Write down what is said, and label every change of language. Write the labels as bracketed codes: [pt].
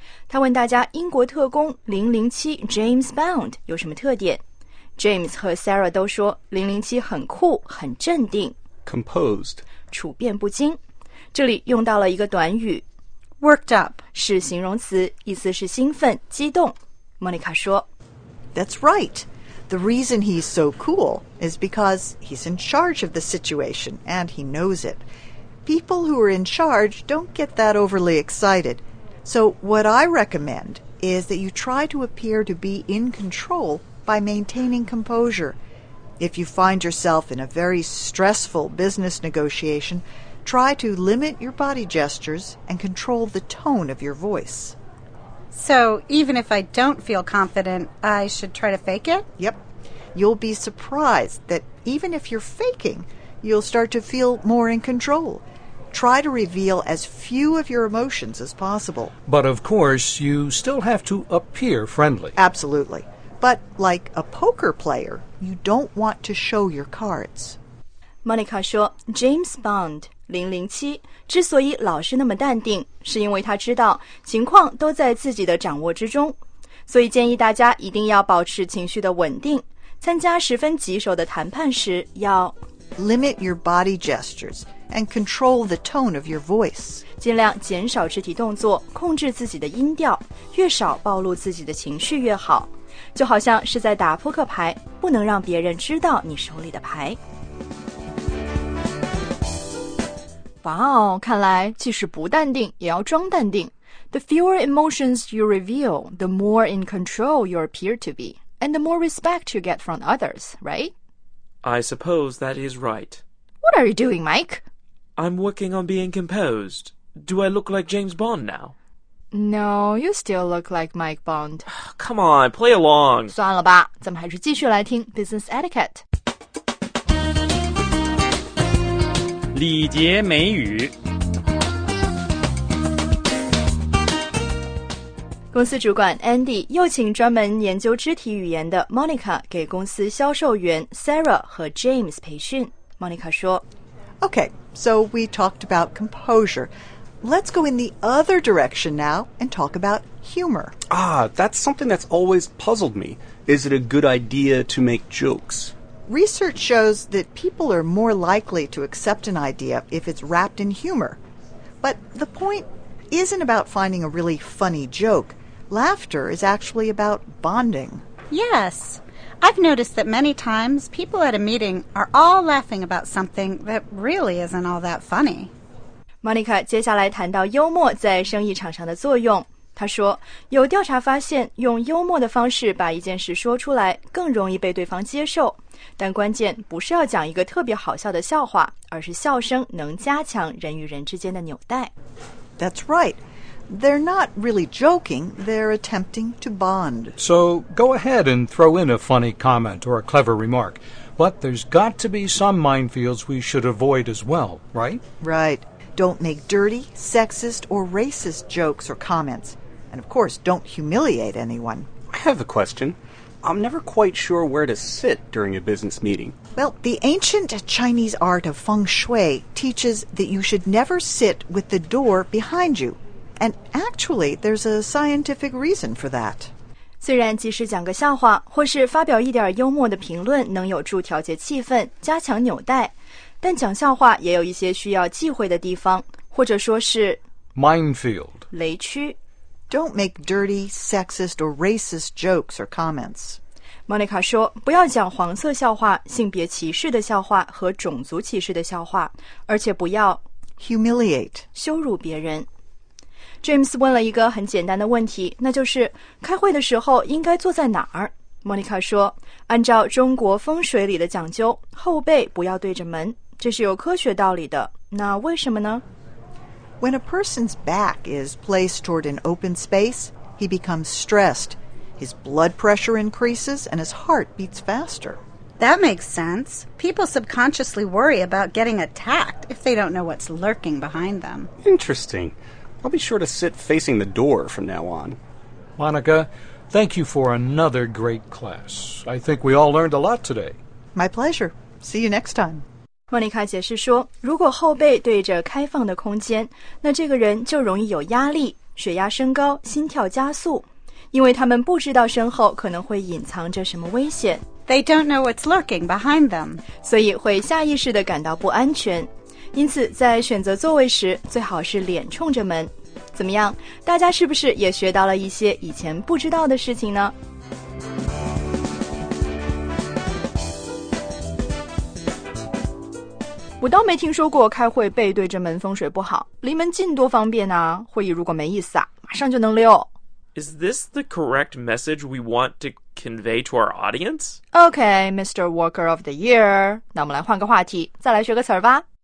[zh] 他问大家英国特工007 James Bond 有什么特点。 James 和 Sarah 都说007很酷，很镇定 [en] Composed， [zh] 处变不惊。这里用到了一个短语 [en] Worked up， [zh] 是形容词，意思是兴奋、激动。莫妮卡说 [en] That's rightThe reason he's so cool is because he's in charge of the situation and he knows it. People who are in charge don't get that overly excited. So what I recommend is that you try to appear to be in control by maintaining composure. If you find yourself in a very stressful business negotiation, try to limit your body gestures and control the tone of your voice. So, even if I don't feel confident, I should try to fake it? Yep. You'll be surprised that even if you're faking, you'll start to feel more in control. Try to reveal as few of your emotions as possible. But of course, you still have to appear friendly. Absolutely. But like a poker player, you don't want to show your cards. [zh] Monica 说, James Bond. 007之所以老是那么淡定，是因为他知道情况都在自己的掌握之中，所以建议大家一定要保持情绪的稳定，参加十分棘手的谈判时要 [en] limit your body gestures and control the tone of your voice， [zh] 尽量减少肢体动作，控制自己的音调，越少暴露自己的情绪越好，就好像是在打扑克牌，不能让别人知道你手里的牌。哇哦，看来即使不淡定也要装淡定。 [en] The fewer emotions you reveal, the more in control you appear to be, and the more respect you get from others, right? I suppose that is right. What are you doing, Mike? I'm working on being composed. Do I look like James Bond now? No, you still look like Mike Bond. Come on, play along. [zh] 算了吧，咱们还是继续来听 Business Etiquette。礼节美语。公司主管 Andy 又请专门研究肢体语言的 Monica 给公司销售员 Sarah 和 James 培训。 Monica 说 [en] Okay, so we talked about composure. Let's go in the other direction now and talk about humor. Ah, that's something that's always puzzled me. Is it a good idea to make jokes? Research shows that people are more likely to accept an idea if it's wrapped in humor. But the point isn't about finding a really funny joke. Laughter is actually about bonding. Yes. I've noticed that many times people at a meeting are all laughing about something that really isn't all that funny. [zh] Monica 接下来谈到幽默在生意场上的作用。她说，有调查发现，用幽默的方式把一件事说出来，更容易被对方接受。但关键不是要讲一个特别好笑的笑话，而是笑声能加强人与人之间的纽带。 [en] That's right. They're not really joking. They're attempting to bond. So go ahead and throw in a funny comment or a clever remark. But there's got to be some minefields we should avoid as well, right? Right. Don't make dirty, sexist, or racist jokes or comments. And of course, don't humiliate anyone. I have a question. I'm never quite sure where to sit during a business meeting. Well, the ancient Chinese art of feng shui teaches that you should never sit with the door behind you. And actually, there's a scientific reason for that. [zh] 虽然即使讲个笑话或是发表一点幽默的评论能有助调节气氛，加强纽带，但讲笑话也有一些需要忌讳的地方，或者说是 [en] minefield [zh] 雷区。 [en] Don't make dirty, sexist, or racist jokes or comments. [zh] Monica 说，不要讲黄色笑话、性别歧视的笑话和种族歧视的笑话，而且不要 [en] humiliate [zh] 羞辱别人。 James 问了一个很简单的问题，那就是开会的时候应该坐在哪儿？ Monica 说，按照中国风水里的讲究，后背不要对着门，这是有科学道理的。那为什么呢？ [en] When a person's back is placed toward an open space, he becomes stressed. His blood pressure increases and his heart beats faster. That makes sense. People subconsciously worry about getting attacked if they don't know what's lurking behind them. Interesting. I'll be sure to sit facing the door from now on. Monica, thank you for another great class. I think we all learned a lot today. My pleasure. See you next time. [zh] 莫妮卡解释说，如果后背对着开放的空间，那这个人就容易有压力，血压升高，心跳加速，因为他们不知道身后可能会隐藏着什么危险。 [en] They don't know what's lurking behind them. [zh] 所以会下意识地感到不安全。因此在选择座位时最好是脸冲着门。怎么样，大家是不是也学到了一些以前不知道的事情呢？我倒没听说过开会背对着门风水不好，离门近多方便啊，会议如果没意思啊，马上就能溜。 [en] Is this the correct message we want to convey to our audience? Okay, Mr. Worker of the Year. [zh] 那我们来换个话题，再来学个词儿吧。